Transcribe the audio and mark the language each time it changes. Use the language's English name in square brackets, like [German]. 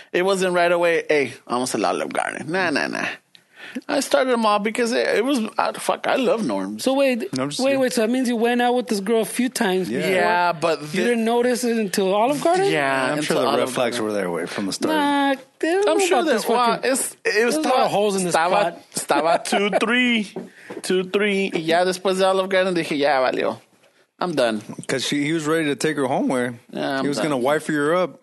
[English] It wasn't right away, hey, I'm a Olive Garden. Nah. I started them off because I love Norms. So wait. So that means you went out with this girl a few times. Yeah but you didn't notice it until Olive Garden? Yeah, I'm sure the red flags were there away from the start. Nah, I'm sure that's why. There's a lot of holes in this spot. [Spanish] Estaba 2-3, ya después de Olive Garden, dije, ya, valió. [English] I'm done. Because he was ready to take her home where he was going to wife her up.